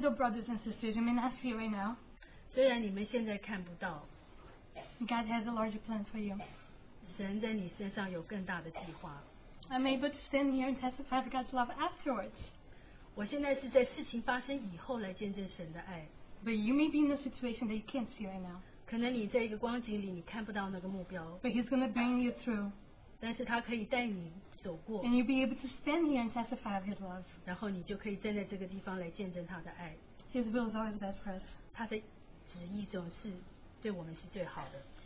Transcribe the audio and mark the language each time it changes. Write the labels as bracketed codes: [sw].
[en] though brothers and sisters, you may not see right now, [zh] 虽然你们现在看不到, [en] God has a larger plan for you. [zh] 神在你身上有更大的计划。I'm [en] able to stand here and testify for God's love afterwards. [zh] 我现在是在事情发生以后来见证神的爱。 [en] But you may be in a situation that you can't see right now. [zh] 可能你在一个光景里你看不到那个目标, [en] but He's going to bring you through. [zh] 但是他可以带你走过, [en] and you'll be able to stand here and testify of His love. [zh] 然后你就可以站在这个地方来见证他的爱。 [en] His will is always best for us. [zh] 他的旨意总是对我们是最好的。